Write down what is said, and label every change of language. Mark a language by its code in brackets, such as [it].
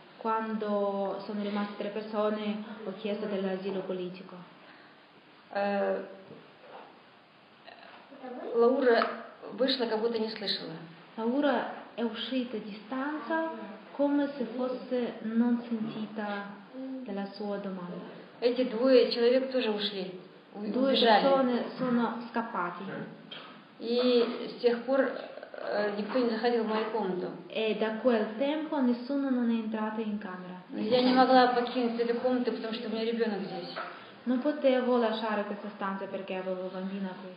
[it] Quando sono rimaste tre persone ho chiesto dell'asilo politico. [ru] Laura вышла, как будто не слышала. [it] Laura è uscita a distanza come se fosse non sentita della sua domanda. [ru] Эти двое человек тоже ушли. [it] Due persone sono scappati. [ru] И с тех пор никто не заходил в мою комнату. [it] E da quel tempo nessuno non è entrato in camera. [ru] Я не могла покинуть эту комнату, потому что у меня ребенок здесь. [it] Non potevo lasciare questa stanza perché avevo bambina qui.